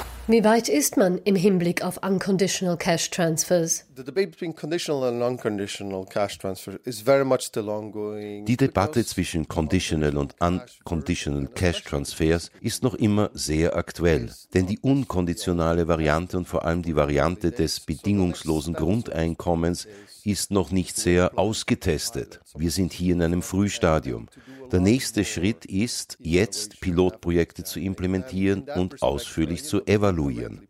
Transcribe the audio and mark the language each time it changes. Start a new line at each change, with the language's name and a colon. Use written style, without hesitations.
German: Wie weit ist man im Hinblick auf unconditional cash transfers?
English: The debate between conditional and unconditional cash transfers is very much still ongoing.
German: Die Debatte zwischen conditional und unconditional cash transfers ist noch immer sehr aktuell, denn die unkonditionale Variante und vor allem die Variante des bedingungslosen Grundeinkommens ist noch nicht sehr ausgetestet. Wir sind hier in einem Frühstadium. Der nächste Schritt ist, jetzt Pilotprojekte zu implementieren und ausführlich zu evaluieren.